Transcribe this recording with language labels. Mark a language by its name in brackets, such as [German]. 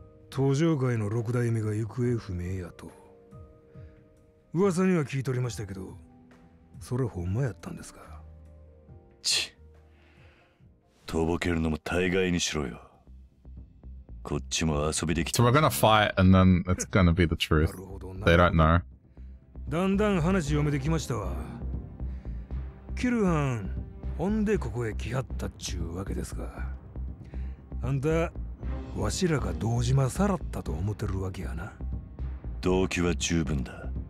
[Japanese] 登場会の六代目が行方不明やと噂には聞いとりましたけど、それほんまやったんですか？ちっ、とぼけるのも大概にしろよ。こっちも遊びで来た。 [English] So we're gonna fight and then it's gonna be the truth. [Japanese] なるほどな。 [English] They don't know. [Japanese] だんだん話読めてきましたわ。キルハン、ほんでここへ来はったっちゅうわけですか。あんた、わしらが堂島さらったと思ってるわけやな。動機は十分だ。